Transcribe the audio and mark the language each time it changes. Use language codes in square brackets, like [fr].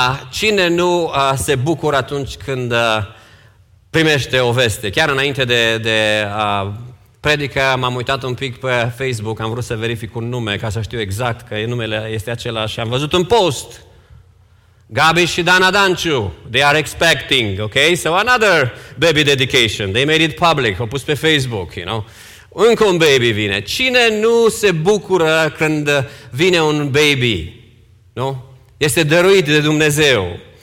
[ro] Cine nu se bucură atunci când primește o veste? Chiar înainte de predică m-am uitat un pic pe Facebook, am vrut să verific un nume ca să știu exact că numele este același. Am văzut un post. Gabi și Dana Danciu, [en] they are expecting, ok? So another baby dedication, they made it public, [ro] au pus pe Facebook, [en] you know? [ro] Încă un baby vine. Cine nu se bucură când vine un baby, nu? Este dăruit de Dumnezeu.